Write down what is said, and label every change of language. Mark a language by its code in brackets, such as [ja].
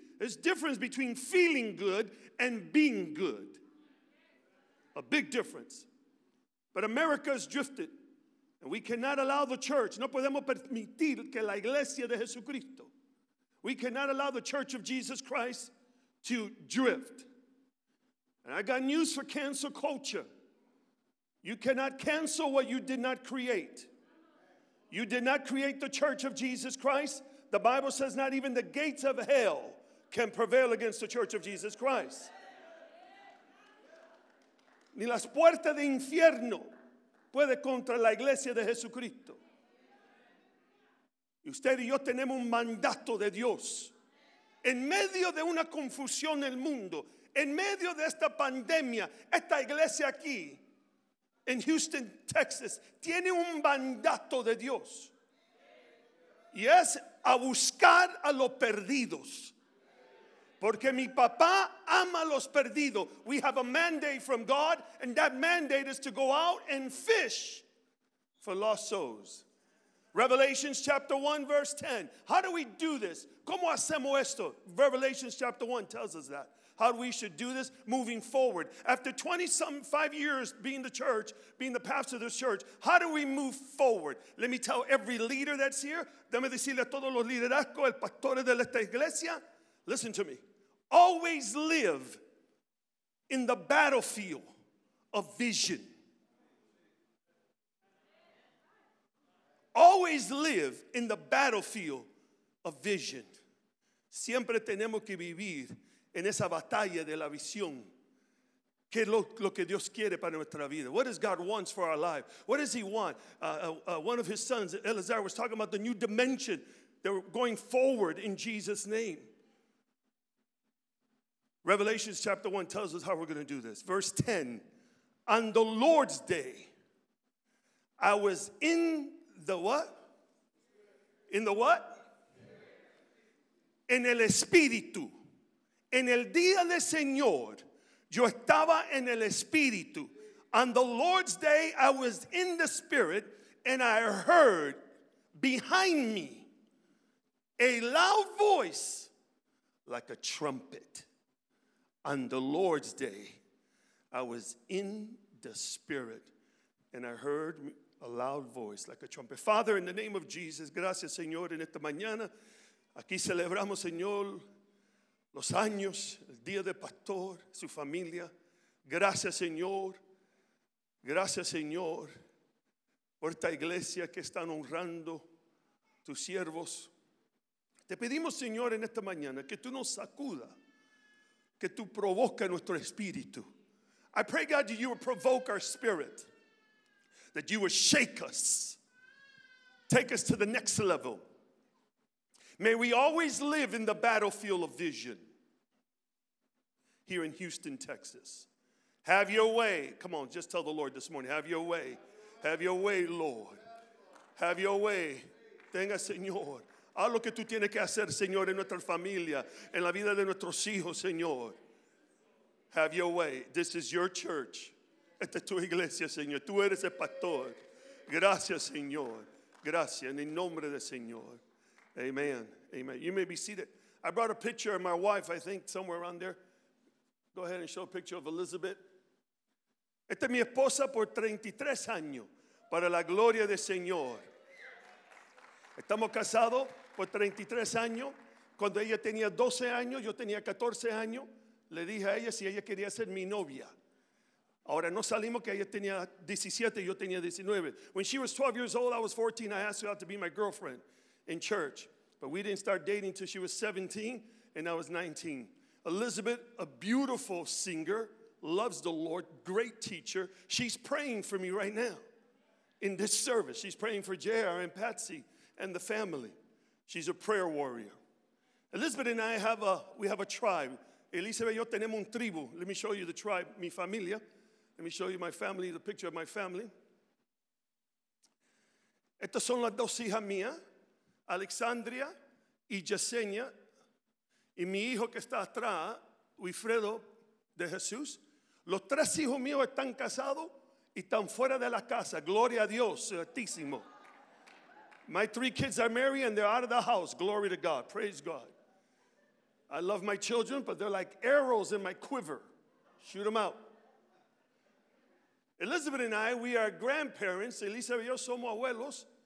[en] There's a difference between feeling good and being good. A big difference. But America has drifted. And we cannot allow the church. [es] No podemos permitir que la iglesia de Jesucristo. [en] We cannot allow the church of Jesus Christ to drift. And I got news for cancel culture. You cannot cancel what you did not create. You did not create the church of Jesus Christ. The Bible says not even the gates of hell can prevail against the church of Jesus Christ. [es] Ni las puertas de infierno puede contra la iglesia de Jesucristo. Y usted y yo tenemos un mandato de Dios. En medio de una confusión en el mundo, en medio de esta pandemia, esta iglesia aquí, en Houston, Texas, tiene un mandato de Dios. Y es a buscar a los perdidos. Porque mi papá ama a los perdidos. [en] We have a mandate from God, and that mandate is to go out and fish for lost souls. Revelations chapter 1 verse 10. How do we do this? [es] ¿Cómo hacemos esto? [en] Revelations chapter 1 tells us that. How we should do this moving forward. After 25 years being the church, being the pastor of this church, how do we move forward? Let me tell every leader that's here. [es] Dame decirle a todos los liderazgos, el pastor de esta iglesia. [en] Listen to me. Always live in the battlefield of vision. Always live in the battlefield of vision. [es] Siempre tenemos que vivir en esa batalla de la visión. ¿Qué es lo que Dios quiere para nuestra vida? [en] What does God want for our life? What does he want? One of his sons, Eleazar, was talking about the new dimension. They're going forward in Jesus' name. Revelation chapter 1 tells us how we're going to do this. Verse 10. On the Lord's day, I was in the what? In the what? [es] En el Espíritu. En el día del Señor, yo estaba en el Espíritu. [en] On the Lord's day, I was in the Spirit, and I heard behind me a loud voice like a trumpet. On the Lord's day, I was in the Spirit, and I heard a loud voice like a trumpet. Father, in the name of Jesus, [es] gracias, Señor, en esta mañana. Aquí celebramos, Señor, los años, el día del pastor, su familia. Gracias, Señor. Gracias, Señor, por esta iglesia que están honrando tus siervos. Te pedimos, Señor, en esta mañana que tú nos sacuda, que tú provoques nuestro espíritu. [en] I pray, God, that you would provoke our spirit, that you would shake us, take us to the next level. May we always live in the battlefield of vision. Here in Houston, Texas. Have your way. Come on, just tell the Lord this morning. Have your way. Have your way, Lord. Have your way. [es] Tenga, Señor. Haz lo que tú tienes que hacer, Señor, en nuestra familia, en la vida de nuestros hijos, Señor. [en] Have your way. This is your church. [es] Esta es tu iglesia, Señor. Tú eres el pastor. Gracias, Señor. Gracias. En el nombre del Señor. Amen. Amen. [en] You may be seated. I brought a picture of my wife, I think, somewhere around there. Go ahead and show a picture of Elizabeth. [es] Esta es mi esposa por 33 años, para la gloria del Señor. Estamos casados por 33 años. Cuando ella tenía 12 años, yo tenía 14 años, le dije a ella si ella quería ser mi novia. Ahora no salimos que ella tenía 17, yo tenía 19. [en] When she was 12 years old, I was 14, I asked her out to be my girlfriend in church. But we didn't start dating until she was 17 and I was 19. Elizabeth, a beautiful singer, loves the Lord, great teacher. She's praying for me right now in this service. She's praying for JR and Patsy and the family. She's a prayer warrior. Elizabeth and I have a tribe. Elizabeth, [es] yo tenemos un tribu. [en] Let me show you the tribe, [es] mi familia. [en] Let me show you my family, the picture of my family. [es] Estas son las dos hijas mías, Alexandria y Yesenia. Y mi hijo que está atrás, Wilfredo de Jesús, los tres hijos míos están casados y están fuera de la casa. Gloria a Dios, Altísimo. [en] My three kids are married and they're out of the house. Glory to God. Praise God. I love my children, but they're like arrows in my quiver. Shoot them out. Elizabeth and I, we are grandparents. [es] Elizabeth y yo somos abuelos.